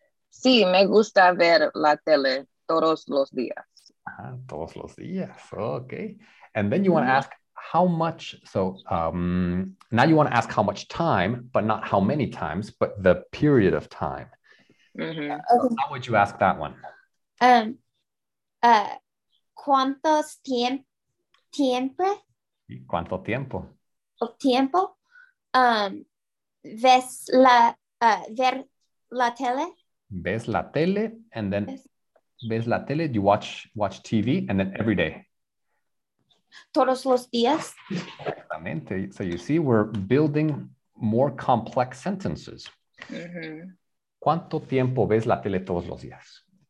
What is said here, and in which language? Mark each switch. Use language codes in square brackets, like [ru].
[es] Sí, me gusta ver la tele todos los días. Todos los días. Okay. [en] And then you want to ask, how much, so now you want to ask how much time, but not how many times, but the period of time. Mm-hmm. So how would you ask that one? [es] ¿Cuántos tiempo? ¿Cuánto tiempo? ¿O tiempo? ¿Ves la, ver la tele? ¿Ves la tele? [en] And then [es] ¿ves la tele? [en] You watch TV and then every day. [es] Todos los días. Exactamente. [en] So you see, we're building more complex sentences. Mm-hmm. [es] ¿Cuánto tiempo ves la tele todos los días?